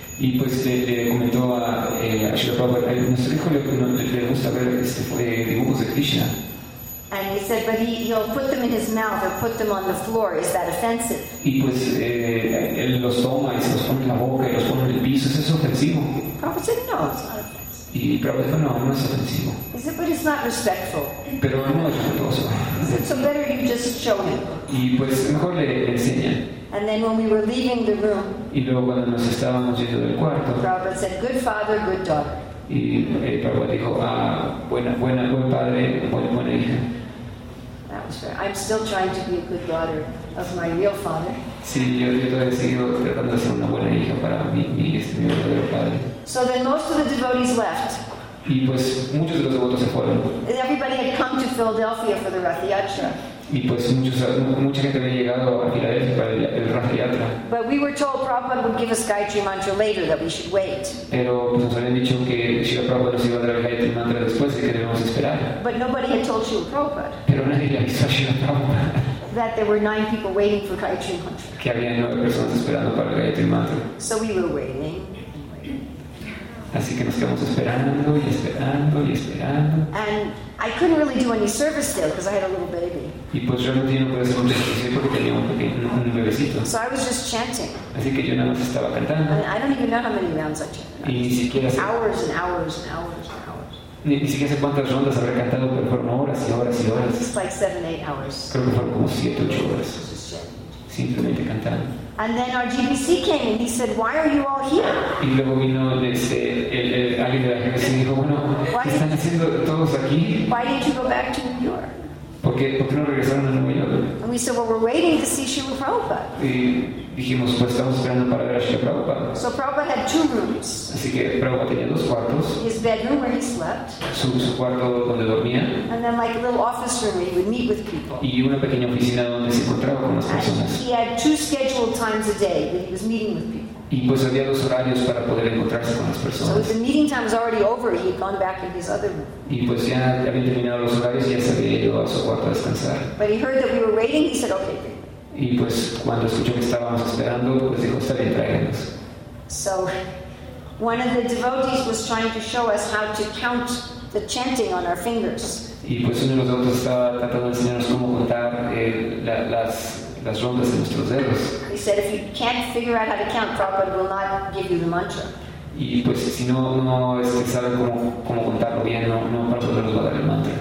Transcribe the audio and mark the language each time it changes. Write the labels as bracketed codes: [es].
[es] Y pues le comentó a Srila Prabhupada, nuestro hijo le gusta ver dibujos de Krishna. [en] And he said, but he'll put them in his mouth or put them on the floor. Is that offensive? [es] Y pues él los toma y se los pone en la boca y los pone en el piso. ¿Es ofensivo? [en] Prabhupada said, no, it's not offensive. [es] Y Prabhupada dijo, no, no es ofensivo. [en] He said, but it's not respectful. [es] Pero no es respetuoso. [en] He said, so better you just show him. [es] Y pues mejor le enseñan. [en] And then when we were leaving the room, [es] y luego cuando nos estábamos yendo del cuarto, [en] Prabhupada said, good father, good daughter. [es] Y Prabhupada dijo, buen padre, buena hija. [en] I'm still trying to be a good daughter of my real father. [es] Sí, yo todavía sigo tratando de ser una buena hija para mi verdadero padre. [en] So then most of the devotees left. [es] Y pues muchos de los devotos se fueron. [en] And everybody had come to Philadelphia for the Rath Yatra. [es] Y pues mucha gente había llegado a Filadelfia para el Rath Yatra. [en] But we were told Prabhupada would give us Gayatri Mantra later, that we should wait. [es] Pero pues nos habían dicho que Srila Prabhupada nos iba a dar el Gayatri Mantra después y que debemos esperar. [en] But nobody had told Srila Prabhupada. [es] Pero nadie le avisó a Srila Prabhupada. [en] That there were 9 people waiting for Gayatri Mantra. [es] Que había 9 personas esperando para el Gayatri Mantra. [en] So we were waiting. [es] Así que nos quedamos esperando y esperando y esperando. [en] And I couldn't really do any service still because I had a little baby. [es] Y pues yo no tenía nada de servicio porque tenía un bebecito. [en] So I was just chanting. [es] Así que yo nada más estaba cantando. [en] I don't even know how many rounds I chanted. [es] Y ni siquiera sé. [en] Hours and hours and hours and hours. [es] Ni siquiera sé cuántas rondas habré cantado, pero fueron horas y horas y horas. [en] It's like 7-8 hours. [es] Creo que fueron como 7-8 horas. [en] Just [es] simplemente cantando. [en] And then our GBC came and he said, why are you all here? [es] Y luego vino alguien de la GBC y dijo, bueno, ¿qué están haciendo todos aquí? [en] Why didn't you go back to New York? [es] ¿Por qué no regresaron a Nueva York? [en] And we said, well, we're waiting to see Srila Prabhupada. [es] Y dijimos, pues estamos esperando para ver a Srila Prabhupada. [en] So Prabhupada had 2 rooms. [es] Así que Prabhupada tenía 2 cuartos. [en] His bedroom where he slept. [es] Su cuarto donde dormía. [en] And then like a little office room where he would meet with people. [es] Y una pequeña oficina donde se encontraba con las personas. [en] He had 2 scheduled times a day that he was meeting with people. [es] Y pues había 2 horarios para poder encontrarse con las personas. [en] So the meeting time was already over. He had gone back in his other room. [es] Y pues ya habían terminado los horarios y ya se había ido a su cuarto a descansar. [en] But he heard that we were waiting. He said, okay. [es] Y pues cuando escuchó que estábamos esperando, pues dijo, está bien, tráiganos. [en] So one of the devotees was trying to show us how to count the chanting on our fingers. [es] Y pues uno de los devotos estaba tratando de enseñarnos cómo contar las rondas de nuestros dedos. [en] He said, if you can't figure out how to count, Prabhupada will not give you the mantra. [es] Y pues si no es que sabe cómo contarlo bien, no Prabhupada nos va a dar el mantra.